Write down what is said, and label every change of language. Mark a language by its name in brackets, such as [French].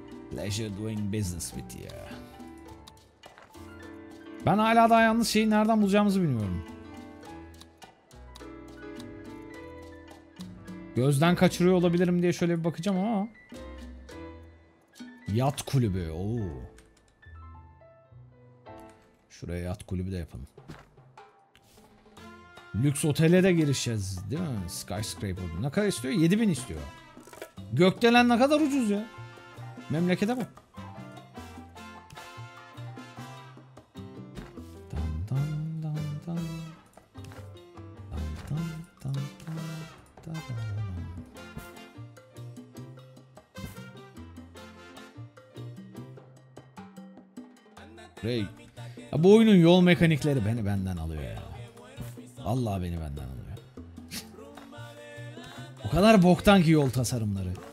[English] Pleasure doing business with you. [Turkish] Ben hala daha yalnız şeyi nereden bulacağımızı bilmiyorum. Gözden kaçırıyor olabilirim diye şöyle bir bakacağım ama. Yat kulübü. Oo. Şuraya yat kulübü de yapalım. Lüks otele de girişeceğiz, değil mi? Skyscraper. Ne kadar istiyor? 7000 istiyor. Gökdelen ne kadar ucuz ya. Memlekete bak. Dan dan dan dan. Dan dan dan dan dan dan dan. Rey. Ya bu oyunun yol mekanikleri beni benden alıyor ya. Vallahi beni benden alıyor. O kadar boktan ki yol tasarımları.